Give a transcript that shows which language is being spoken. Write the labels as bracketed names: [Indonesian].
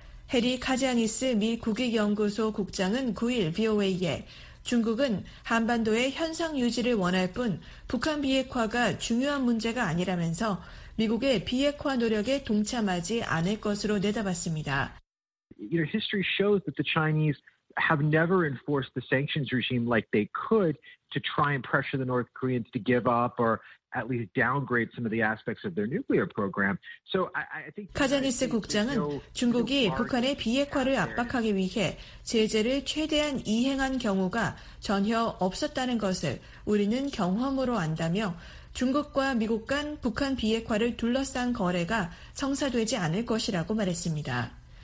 [Korean] 해리 카자니스 미 국익연구소 국장은 9일 VOA에 중국은 한반도의 현상 유지를 원할 뿐 북한 비핵화가 중요한 문제가 아니라면서 미국의 비핵화 노력에 동참하지 않을 것으로 내다봤습니다. [English] History shows that the Chinese have never enforced the sanctions regime like they could to try and pressure the North Koreans to give up or at least downgrade some of the aspects of their nuclear program. So I think [Korean] 카자니스 국장은 중국이 북한의 비핵화를 압박하기 위해 제재를 최대한 이행한 경우가 전혀 없었다는 것을 우리는 경험으로 안다며 중국과 미국 간 북한 비핵화를 둘러싼 거래가 성사되지 않을 것이라고 말했습니다.